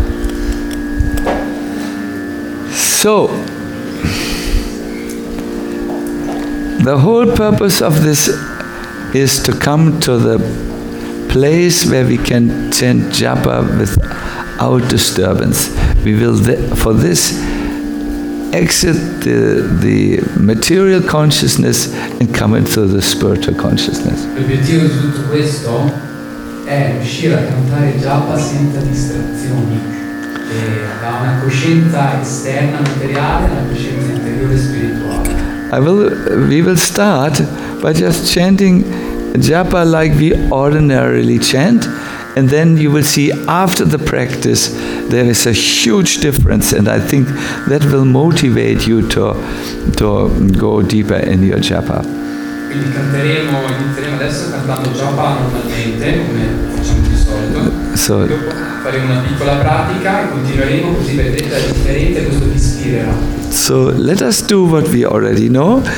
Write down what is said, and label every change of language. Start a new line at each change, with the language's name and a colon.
English: So, the whole purpose of this is to come to the place where we can chant japa without disturbance. We will, for this, exit the material consciousness and come into the spiritual consciousness.
Italian: L'obiettivo di tutto questo è riuscire a cantare japa senza distrazioni, da una coscienza esterna materiale alla coscienza interiore spirituale.
English: We will start by just chanting japa like we ordinarily chant, and then you will see after the practice there is a huge difference, and I think that will motivate you to go deeper in your japa.
Italian: Quindi inizieremo adesso cantando japa normalmente come facciamo di solito.
English: So
Italian: faremo una piccola pratica e continueremo, così vedrete la differenza, questo vi ispirerà.
English: So let us do what we already know.